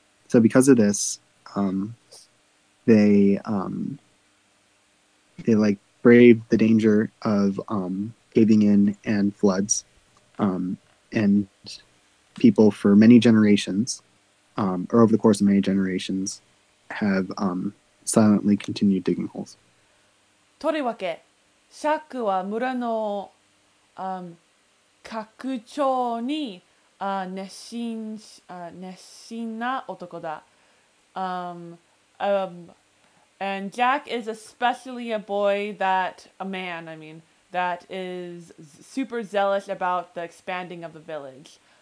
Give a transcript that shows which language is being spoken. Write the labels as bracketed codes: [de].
[en] So because of this, they like braved the danger of caving in and floods, and people for many generations, or over the course of many generations, have silently continued digging holes. [ja] とりわけ, シャークは村の拡張に熱心な男だ. [en] And Jack is especially a boy that a man. I mean. That is super zealous about the expanding of the village.